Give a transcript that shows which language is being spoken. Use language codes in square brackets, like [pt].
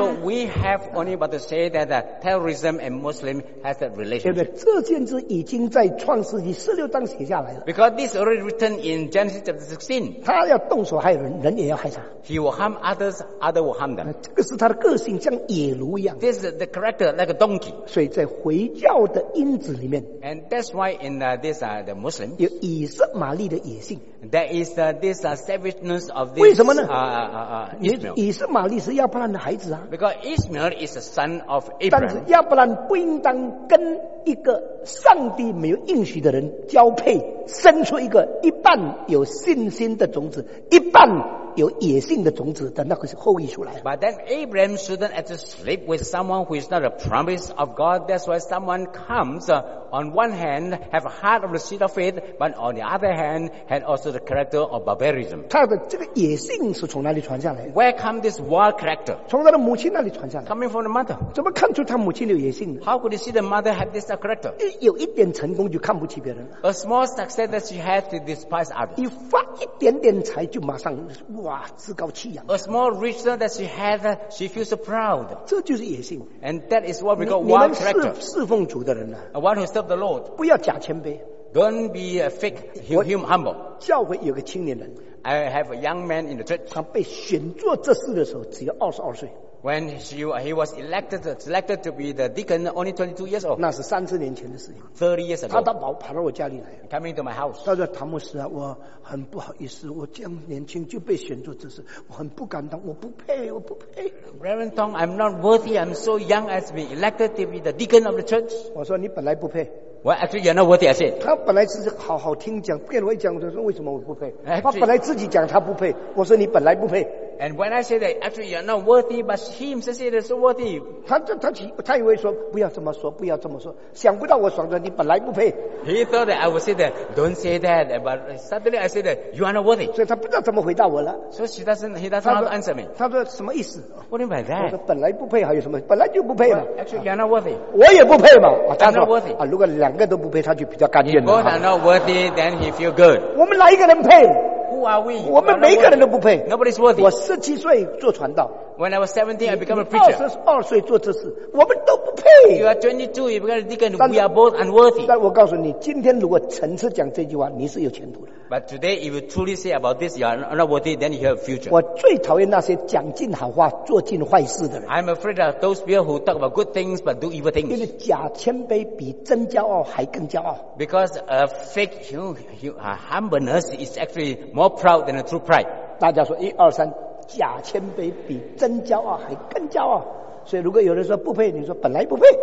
[en] So we have only but to say that the terrorism and Muslim has a relationship. [zh] 对不对？这件事已经在创世纪十六章写下来了。 [en] Because this already written in Genesis chapter 16. [zh] 他要动手害人，人也要害他。 [en] He will harm others, others will harm them. [zh] 这个是他的个性，像野驴一样。 [en] This is the character like a donkey. [zh] 所以在回教的因子里面。 [en] And that's why in this the Muslims [zh] 有以色玛利的野性 [en] there is this savageness of this [zh] 为什么呢 [en] Ishmael [zh] 以色玛利是亚伯兰的孩子啊 [en] because Ishmael is the son of Abraham [zh] 但是亚伯兰不应当跟一个上帝没有应许的人交配生出一个一半有信心的种子一半有野性的种子的那个后裔出来。 [en] But then Abraham shouldn't have to sleep with someone who is not a promise of God. That's why someone comes on one hand have a heart of the seed of faith, but on the other hand had also the character of barbarism. [zh] 他的这个野性是从哪里传下来的 [en] ？Where come this wild character? [zh] 从他的母亲那里传下来。 [en] Coming from the mother. [zh] 怎么看出他母亲有野性呢 [en] ？How could you see the mother have this character? [zh] 有一点成功就看不起别人。 [en] A small success that she had to despise others. [zh] 你发一点点财就马上哇自高气扬。 [en] A small riches that she had, she feels proud. [zh] 这就是野性。 [en] And that is what we call wild character. [zh] 你们侍奉主的人呢、 [en] 啊、？One who serve the Lord. [zh] 不要假谦卑。 [en] Don't be a fake humble. [zh] 教会有个青年人。 [en] I have a young man in the church. [zh] 他被选做这事的时候只有22岁。 [en] When he was selected to be the deacon, only 22 years old. [zh] 那是三十年前的事情。 [en] 30 years ago. [zh] 他到跑到我家里来。 [en] Coming to my house. [zh] 他说：“唐牧师啊，我很不好意思，我这样年轻就被选做执事，我很不敢当，我不配，我不配。” [en] Reverend Tong, I'm not worthy. I'm so young as being elected to be the deacon of the church. [zh] 我说：“你本来不配。” [en] Well, actually, you're not worthy. I said. [zh] 他本来只是好好听讲，骗我一讲，我说为什么我不配？ Actually, 他本来自己讲他不配，我说你本来不配。 [en] And when I say that, actually you're not worthy, but him says it is so worthy. [zh] 他以为说不要这么说，不要这么说，想不到我说的你本来不配。 [en] He thought that I would say that, don't say that. But suddenly I said that you are not worthy. [zh] 所以他不知道怎么回答我了。 [en] So he doesn't answer me. [zh] 他说什么意思？ [en] What about that? [zh] 我说本来不配还有什么？本来就不配嘛。 [en] Well, actually you're not worthy. [zh] 我也不配嘛。啊、他 [en] 说 not worthy. [zh] 啊，如果两个都不配，他就比较甘愿了。 [en] If both are not worthy, then he feel good. [zh] 我们哪一个人配？ [en] Who are we? [zh] 我们每个人都不配。 [en] Nobody's worthy. [zh] 我17岁做传道。 [en] When I was 17, I became a preacher. [zh] 22岁做这事，我们都不配。 [en] You are 22, you become a deacon. We are both unworthy. [zh] 但我告诉你，今天如果诚实讲这句话，你是有前途的。 [en] But today, if you truly say about this, you are not worthy, then you have a future. [zh] 我最讨厌那些讲尽好话，做尽坏事的人。 [en] I'm afraid of those people who talk about good things but do evil things. [zh] 因为假谦卑比真骄傲还更骄傲。 [en] Because a fake humbleness is actually more proud than a true pride. [zh] 大家说一二三。假谦卑比真骄傲还更骄傲，所以如果有人说不配，你说本来不配。